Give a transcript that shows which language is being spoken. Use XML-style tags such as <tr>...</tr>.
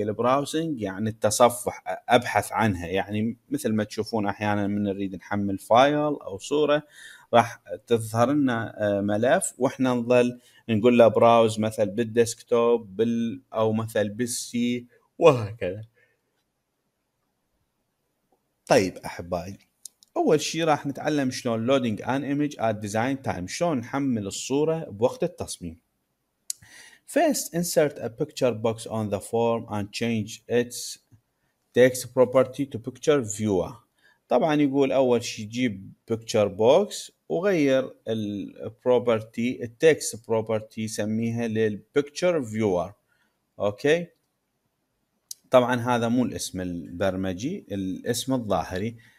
<ar>البراوزنج يعني التصفح، أبحث عنها، يعني مثل ما تشوفون أحيانا من نريد نحمل فايل أو صورة راح تظهر لنا ملف وإحنا نظل نقول له براوز مثل بالديسكتوب بال أو مثل بالسي وهكذا. طيب أحبائي، أول شيء راح نتعلم شلون</ar> <en>loading an image at design time,</en> <ar>شلون نحمل الصورة بوقت التصميم.</ar> <en>First, insert a picture box on the form and change its text property to picture viewer.</en> <ar>طبعا يقول أول شيء جيب picture box وغير ال property، text property سميها لل picture viewer.</ar> <en>Okay.</en> <ar>طبعا هذا مو الاسم البرمجي، الاسم الظاهري.</ar>